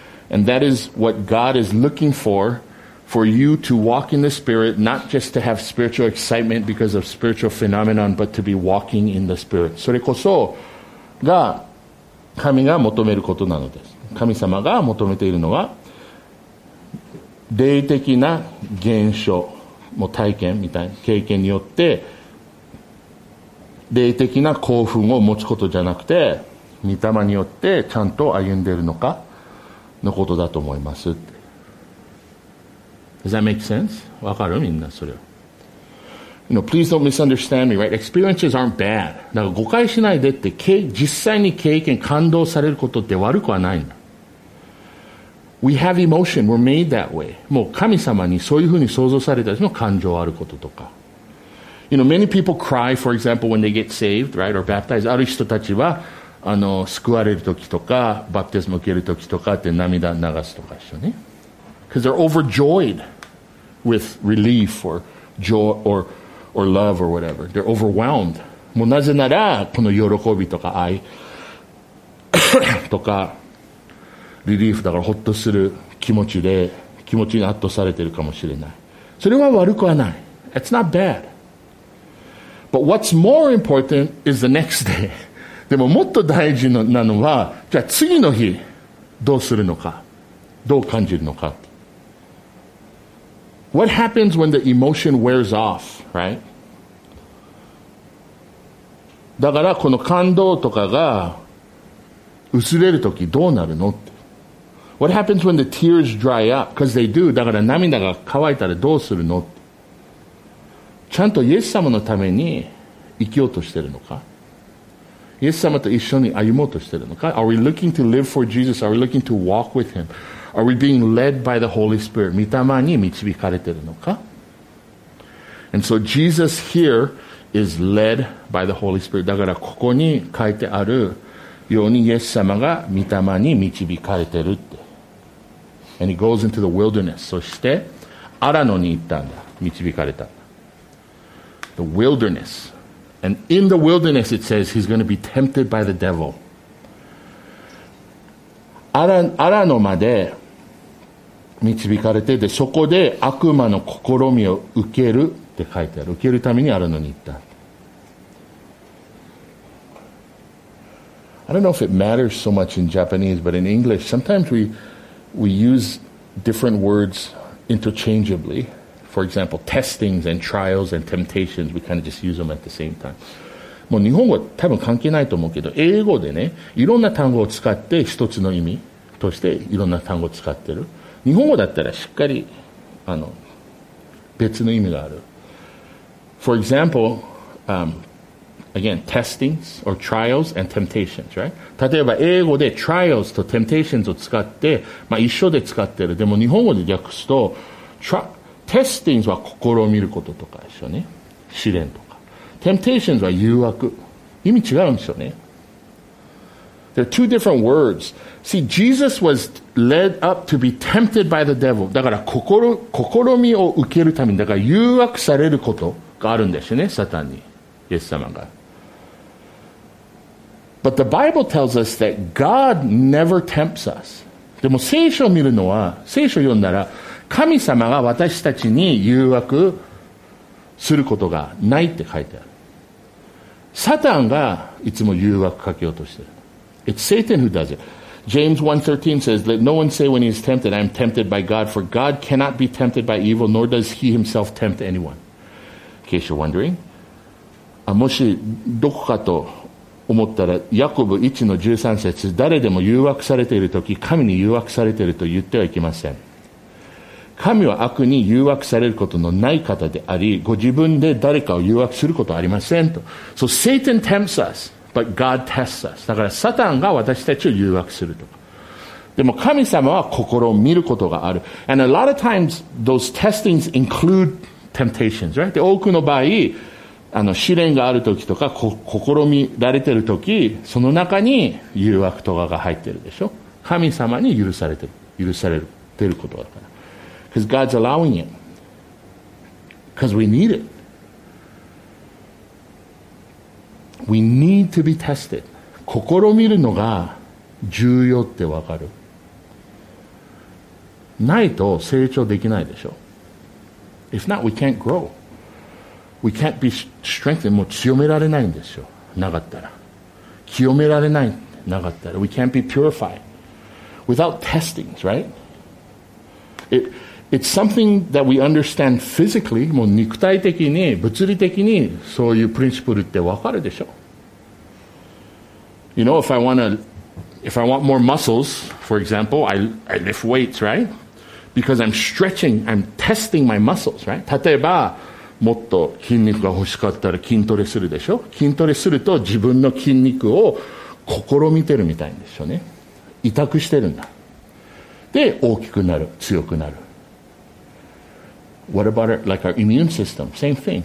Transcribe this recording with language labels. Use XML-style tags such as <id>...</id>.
<en>And that is what God is looking for for you to walk in the Spirit, not just to have spiritual excitement because of spiritual phenomenon, but to be walking in the Spirit.</en> <ja>それこそが神が求めることなのです。神様が求めているのは霊的な現象も体験みたいな経験によって霊的な興奮を持つことじゃなくて御霊によってちゃんと歩んでいるのかのことだと思います。</ja> <en>Does that make sense?</en> <ja>わかるみんなそれ。</ja> <en>You know, please don't misunderstand me, right? Experiences aren't bad.</en> <ja>だから誤解しないでって、実際に経験感動されることって悪くはないんだ。</ja> <en>We have emotion. We're made that way.</en> <ja>もう神様にそういうふうに想像されたその感情あることとか。</ja> <en>You know, many people cry, for example, when they get saved, right, or baptized.</en> <ja>ある人たちは救われるときとか、バプテスム受けるときとかって涙流すとかしてね。</ja> <en>Because they're overjoyed with relief or joy or love or whatever. They're overwhelmed.</en> <ja>もうなぜならこの喜びとか愛とか、リリーフだからホッとする気持ちで気持ちに圧倒されているかもしれない。それは悪くはない。</ja> <en>It's not bad. But what's more important is the next day.</en> <ja>でももっと大事なのは、じゃあ次の日どうするのか、どう感じるのか。</ja> <en>What happens when the emotion wears off, right?</en> <ja>だからこの感動とかが薄れるときどうなるの？</ja> <en>What happens when the tears dry up? Because they do.</en> <ja>だから涙が乾いたらどうするの？ちゃんとイエス様のために生きようとしてるのか？イエス様と一緒に歩もうとしてるのか？</ja> <en>Are we looking to live for Jesus? Are we looking to walk with Him? Are we being led by the Holy Spirit?</en> <ja>御霊に導かれてるのか？</ja> <en>And so Jesus here is led by the Holy Spirit.</en> <ja>だからここに書いてあるようにイエス様が御霊に導かれてるって。</ja> <en>And he goes into the wilderness.</en> <ja>そして、アラノに行ったんだ。導かれた。</ja> <en>The wilderness. And in the wilderness it says he's going to be tempted by the devil.</en> <ja>アラノまで導かれて、で、そこで悪魔の試みを受けるって書いてある。受けるためにアラノに行った。</ja> <en>I don't know if it matters so much in Japanese, but in English, sometimes we use different words interchangeably. For example, testings and trials and temptations, we kind of just use them at the same time.</en> <ja>もう日本語は多分関係ないと思うけど、英語でね、いろんな単語を使って一つの意味としていろんな単語を使ってる。日本語だったらしっかり別の意味がある。</ja> <en>For example, Again, testings or trials and temptations, right?</en> <ja>例えば英語で trials と temptations を使って、まあ、一緒で使ってる。でも日本語で訳すと testings は試みることとかですよね。試練とか。 temptations は誘惑。意味違うんですよね。</ja> <en>There are two different words. See, Jesus was led up to be tempted by the devil.</en> <ja>だから試みを受けるために、だから誘惑されることがあるんですよね、サタンに。イエス様が。 But the Bible tells us that God never tempts us. でも聖書を見るのは、聖書を読んだら、神様が私たちに誘惑することがないって書いてある。サタンがいつも誘惑かけようとしてる。</ja> <en>It's Satan who does it. James 1:13 says, Let no one say when he is tempted, I am tempted by God, for God cannot be tempted by evil, nor does he himself tempt anyone. In case you're wondering.</en> <ja>もしどこかと思ったら、ヤコブ 1-13 節、誰でも誘惑されているとき、神に誘惑されていると言ってはいけません。神は悪に誘惑されることのない方であり、ご自分で誰かを誘惑することはありませんと。</ja> <en>So Satan tempts us, but God tests us.</en> <ja>だからサタンが私たちを誘惑すると。でも神様は心を見ることがある。</ja> <en>And a lot of times those testings include temptations, right?</en> <ja>で、多くの場合、試練があるときとか、試みられてるとき、その中に誘惑とかが入ってるでしょ。神様に許されてることだから。</ja> <en>Because God's allowing it. Because we need it. We need to be tested.</en> <ja>試みるのが重要ってわかる。ないと成長できないでしょ。 If not, we can't grow. We can't be strengthened. もう強められないんですよ。なかったら。清められない。なかったら。</ja> <en>We can't be purified. Without testings, right? It's something that we understand physically.</en> <ja>もう肉体的に、物理的に、そういうプリンシプルってわかるでしょ。</ja> <en>You know, if I want more muscles, for example, I lift weights, right? Because I'm stretching, I'm testing my muscles, right?</en> <ja>例えば、もっと筋肉が欲しかったら筋トレするでしょ。筋トレすると自分の筋肉を試みてるみたいんですよね。委託してるんだ。で、大きくなる、強くなる。</ja> <en>What about like our immune system? Same thing.</en>